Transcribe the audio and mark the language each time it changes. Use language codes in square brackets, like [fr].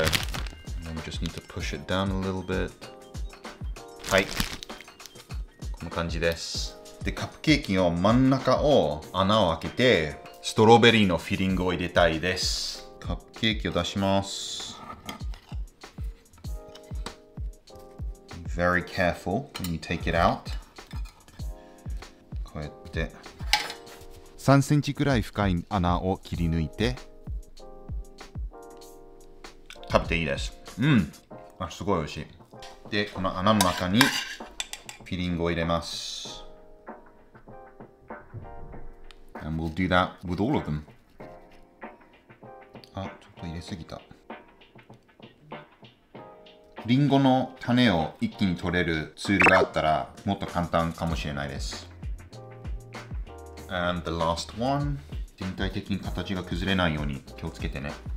[en] Now we just need to push it down a little bit. [ja] はい、この感じです。で、カップケーキの真ん中を穴を開けてストロベリーのフィリングを入れたいです。カップケーキを出します。 [en] Very careful when you take it out。 [ja] こうやって 3センチくらい深い穴を切り抜いて食べていいです。うん、あ、すごい美味しい。で、この穴の中にフィリングを入れます。 [en] and we'll do that with all of them. [ja] あ、ちょっと入れすぎた。リンゴの種を一気に取れるツールがあったらもっと簡単かもしれないです。 [en] And the last one. [ja] 全体的に形が崩れないように気をつけてね。